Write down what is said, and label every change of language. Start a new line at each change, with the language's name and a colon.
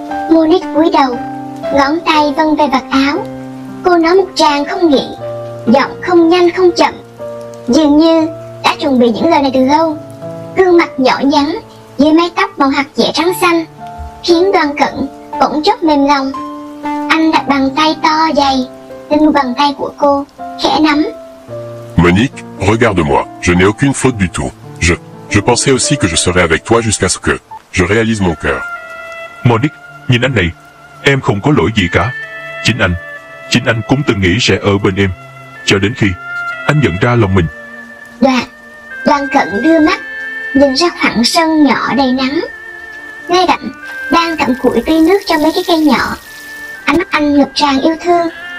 Vietnamese: Monique cúi đầu, ngón tay vân về vạt áo. Cô nói một tràng không nghĩ, giọng không nhanh không chậm, dường như đã chuẩn bị những lời này từ lâu. Gương mặt nhỏ nhắn dưới mái tóc màu hạt dẻ trắng xanh khiến Đoàn Cận bỗng chốc mềm lòng. Anh đặt bàn tay to dày lên bàn tay của cô, khẽ nắm.
French: Monique, regarde-moi, je n'ai aucune faute du tout. Je pensais aussi que je serais avec toi jusqu'à ce que je réalise mon cœur.
Vietnamese: Monique, nhìn anh này, em không có lỗi gì cả. Chính anh cũng từng nghĩ sẽ ở bên em, cho đến khi anh nhận ra lòng mình. Đoàn Cận đưa mắt nhìn ra khoảng sân nhỏ đầy nắng. Ngay cạnh đang cầm củi tưới nước cho mấy cái cây nhỏ. Ánh mắt anh ngập tràn yêu thương.